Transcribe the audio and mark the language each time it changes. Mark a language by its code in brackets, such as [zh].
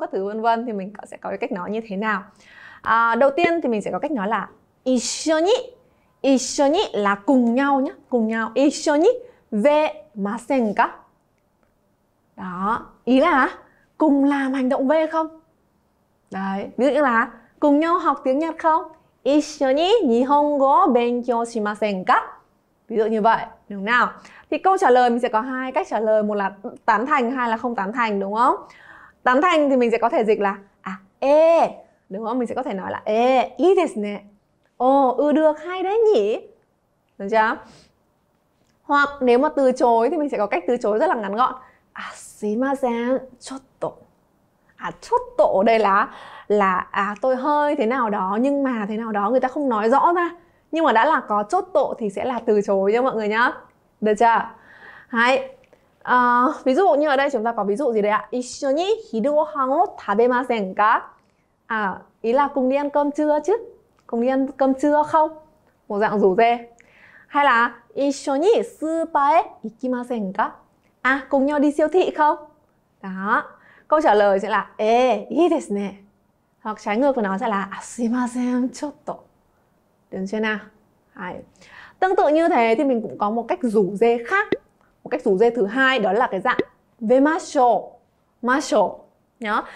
[vi] Các thứ vân vân thì mình sẽ có cái cách nói như thế nào. Đầu tiên thì mình sẽ có cách nói là 一緒に. 一緒に là cùng nhau nhá, cùng nhau. [ja] 一緒に 为ませんか? [vi] Đó, ý là cùng làm hành động về không? Đấy, ví dụ như là cùng nhau học tiếng Nhật không? [ja] 一緒に 日本語勉強しませんか? [vi] Ví dụ như vậy, đúng nào? Thì câu trả lời mình sẽ có hai cách trả lời, một là tán thành, hai là không tán thành, đúng không? Tán thành thì mình sẽ có thể dịch là đúng không? Mình sẽ có thể nói là [ja] いいですね. [vi] Được, hay đấy nhỉ? Được chưa? Hoặc nếu mà từ chối thì mình sẽ có cách từ chối rất là ngắn gọn. [ja] すいません, ちょっと. [vi] ちょっと ở đây là tôi hơi thế nào đó, nhưng mà thế nào đó, người ta không nói rõ ra. Nhưng mà đã là có chốt tội thì sẽ là từ chối nha mọi người nhá. Được chưa? Hay. Ví dụ như ở đây chúng ta có ví dụ gì đấy ạ? [ja] 一緒に 昼ご飯 を 食べませんか? [vi] À, ý là cùng đi ăn cơm trưa chứ. Cùng đi ăn cơm trưa không? Một dạng rủ rê. Hay là [ja] 一緒に スーパーへ 行きませんか? [vi] À, cùng nhau đi siêu thị không? Đó. Câu trả lời sẽ là [ja] え、いいですね. [vi] Hoặc trái ngược của nó sẽ là [ja] すいません、ちょっと. [vi] Được chưa nào? Hay. Tương tự như thế thì mình cũng có một cách rủ rê khác. Một cách rủ rê thứ hai đó là cái dạng về macho nhá.